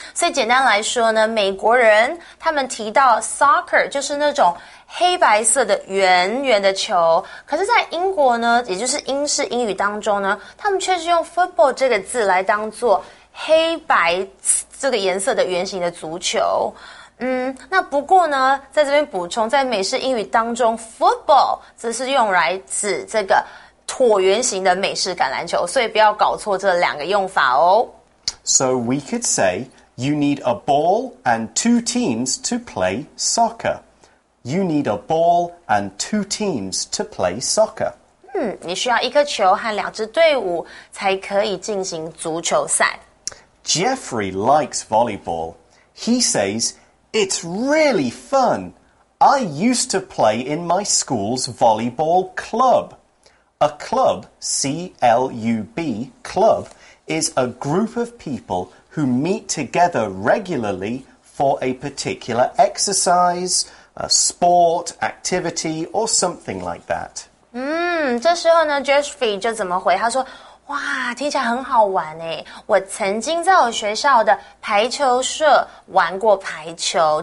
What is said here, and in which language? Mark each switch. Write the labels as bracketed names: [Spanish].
[Chinese] 所以简单来说呢，美国人他们提到 soccer 就是那种黑白色的圆圆的球，可是在英国呢，也就是英式英语当中呢，他们却是用 football 这个字来当作黑白这个颜色的圆形的足球。那不过呢，在这边补充，在美式英语当中 ,football 则是用来指这个椭圆形的美式橄榄球，所以不要搞错这两个用法哦。 [English] So we could say, you need a ball and two teams to play soccer. You need a ball and two teams to play soccer. [Chinese] 你需要一颗球和两支队伍才可以进行足球赛。 [English] Jeffrey likes volleyball. He says, it's really fun. I used to play in my school's volleyball club. A club, C-L-U-B, club, is a group of people who meet together regularly for a particular exercise, a sport, activity, or something like that. [Chinese] 这时候呢 ,Jeffrey 就怎么回？他说，哇，听起来很好玩耶，我曾经在我学校的排球社玩过排球。